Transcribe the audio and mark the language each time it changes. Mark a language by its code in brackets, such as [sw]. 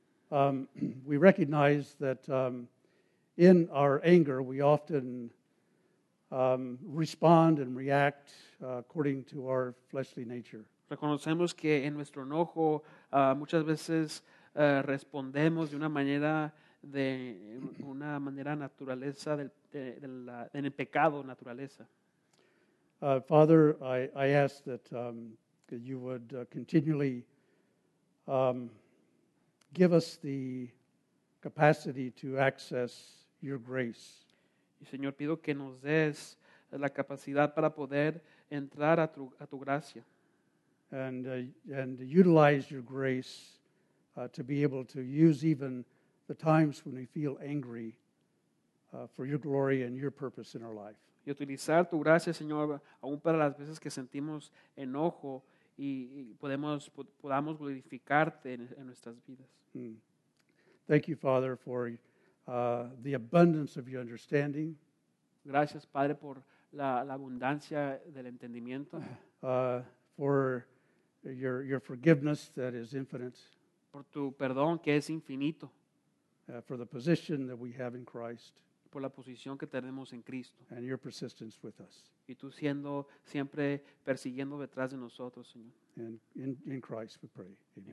[en] We recognize that in our anger, we often respond and react according to our fleshly nature. [es] Reconocemos que en nuestro enojo muchas veces respondemos de una manera de una manera naturaleza del el pecado naturaleza. [en] Father, I ask that, that you would continually give us the capacity to access your grace. [es] Señor, pido que nos des la capacidad para poder entrar a tu gracia. [en] And utilize your grace to be able to use even the times when we feel angry for your glory and your purpose in our life. [es] Y utilizar tu gracia, Señor, aún para las veces que sentimos enojo y podemos, podamos glorificarte en nuestras vidas. Mm. [en] Thank you, Father, for the abundance of your understanding. [es] Gracias, Padre, por la abundancia del entendimiento. [en] For your forgiveness that is infinite. [es] Por tu perdón que es infinito. [en] For the position that we have in Christ. [es] Por la posición que tenemos en Cristo. [en] And your persistence with us. [es] Y tú siendo siempre persiguiendo detrás de nosotros, Señor. [en] And in Christ we pray. Amen.